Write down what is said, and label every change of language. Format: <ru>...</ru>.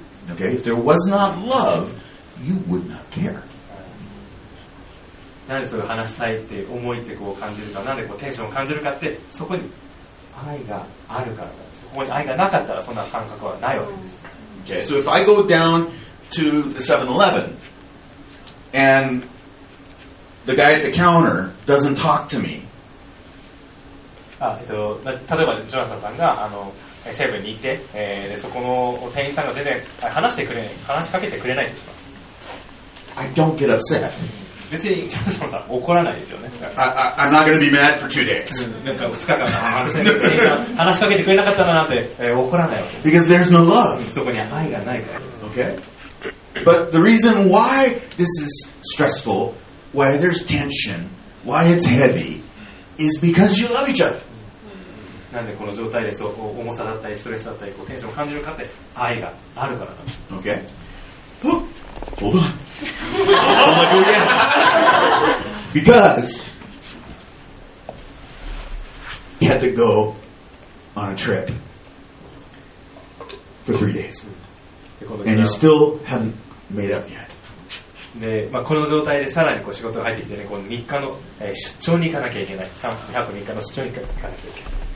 <en>Okay, if there was not love, you would not care.</en> <ja>なんでそれを話したいって思いってこう感じるか、なんでこうテンションを感じるかって、そこに愛があるからなんです。そこに愛がなかったらそんな感覚はないわけです。</ja> <en>Okay, so if I go down to the 7-Eleven and the guy at the counter doesn't talk to me.</en> <ja>例えばジョナサンさんがセブンにいて、でそこの店員さんが全然話してくれない、話しかけてくれないとします。</ja> <en>I don't get upset.</en> <ja>別にちょっとさ怒らないですよね。</ja> <en>I'm not gonna be mad for 2 days。</en> <ja>なんか2日間話しかけてくれなかったななんて、怒らないわけ。</ja> <en>Because there's no love。</en> <ja>そこには愛がないからです。</ja> <en>Okay。 But the reason why this is stressful, why there's tension, why it's heavy, is because you love each other。</en> <ja>なんでこの状態でそう重さだったりストレスだったりこうテンションを感じるかって愛があるからなんです。</ja> <en>Okay。 Hold on. I'm going to go again. Because he had to go on a trip for 3 days. And you still haven't made up yet.</en> <ja>で、まあ、この状態でさらにこう仕事が入ってきてね、こう3日の、出張に行かなきゃいけない。 3泊3日の出張に行かなきゃいけない。</ja>